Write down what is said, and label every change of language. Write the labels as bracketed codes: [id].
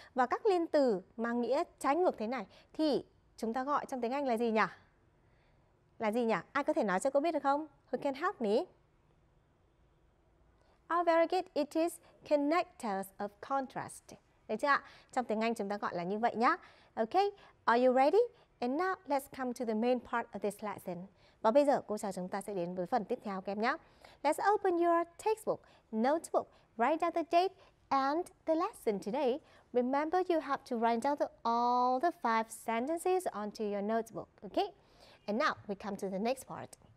[vi] Và các liên từ mang nghĩa trái ngược thế này thì chúng ta gọi trong tiếng Anh là gì nhỉ? Là gì nhỉ? Ai có thể nói cho cô biết được không? [en] Who can help me? Oh, very good. It is connectors of contrast. [vi] Đấy chứ ạ? Trong tiếng Anh chúng ta gọi là như vậy nhá. [en] Ok, are you ready? And now let's come to the main part of this lesson. [vi] Và bây giờ cô chào chúng ta sẽ đến với phần tiếp theo các em nhé. [en] Let's open your textbook, notebook, write down the date and the lesson today. Remember you have to write down all the five sentences onto your notebook, okay? And now we come to the next part.